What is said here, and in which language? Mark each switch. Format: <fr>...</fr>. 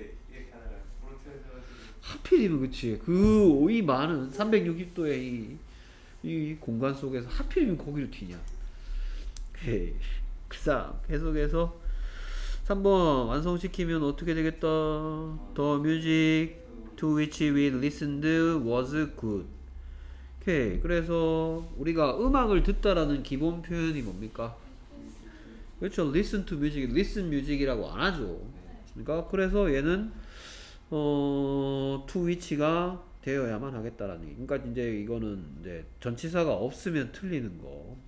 <ko>이렇게 하다가 프론트에서 하필이면 그치. 그 오이 많은 360도의 이 공간 속에서 하필이면 거기로 튀냐. 그 사람 계속해서 3번 완성시키면 어떻게 되겠다.</ko> <en>The music to which we listened was good.</en> <ko>오케이. 그래서 우리가 음악을 듣다라는 기본 표현이 뭡니까? 그렇죠.</ko> <en>Listen to music, listen music</en> <ko>이라고 안 하죠. 그러니까 그래서 얘는 to which가 되어야만 하겠다라는 얘기. 그러니까 이제 이거는 이제 전치사가 없으면 틀리는 거.</ko>